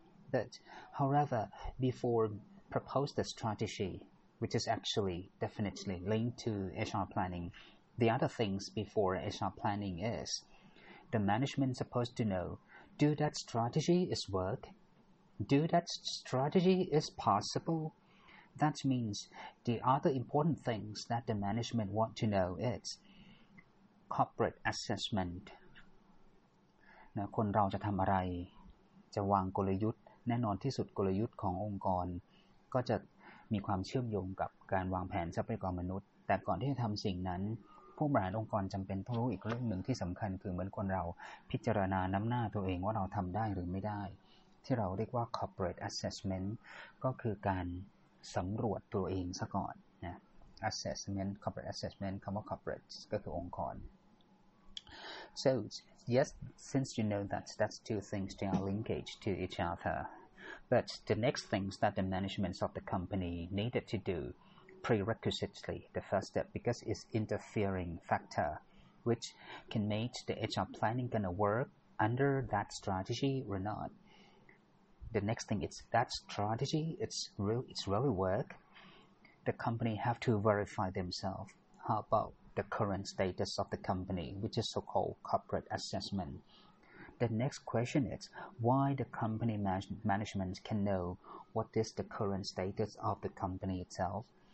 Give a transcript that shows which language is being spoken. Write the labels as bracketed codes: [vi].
[en] But however, before propose the strategy, which is actually definitely linked to HR planning, the other things before HR planning is the management supposed to know, do that strategy is work? Do that strategy is possible? That means the other important things that the management want to know is corporate assessment. [th] Now, คนเราจะทำอะไรจะวางกลยุทธ์แน่นอนที่สุดกลยุทธ์ขององค์กรก็จะมีความเชื่อมโยงกับการวางแผนทรัพยากรมนุษย์แต่ก่อนที่จะทำสิ่งนั้นผู้บริหารองค์กรจำเป็นต้องรู้อีกเรื่องหนึ่งที่สำคัญคือเหมือนคนเราพิจารณาน้ำหน้าตัวเองว่าเราทำได้หรือไม่ได้ที่เราเรียกว่า corporate assessment ก็คือการ สำรวจตัวเองซะก่อนนะ assessment corporate assessment คำว่า corporate ก็คือองค์กร [en] so yes since you know that that's two things they are linkage to each other but the next things that the management of the company needed to doprerequisitely, the first step, because it's interfering factor, which can make the HR planning gonna work under that strategy or not. The next thing is that strategy, it's really work. The company have to verify themselves. How about the current status of the company, which is so-called corporate assessment. The next question is why the company management can know what is the current status of the company itself.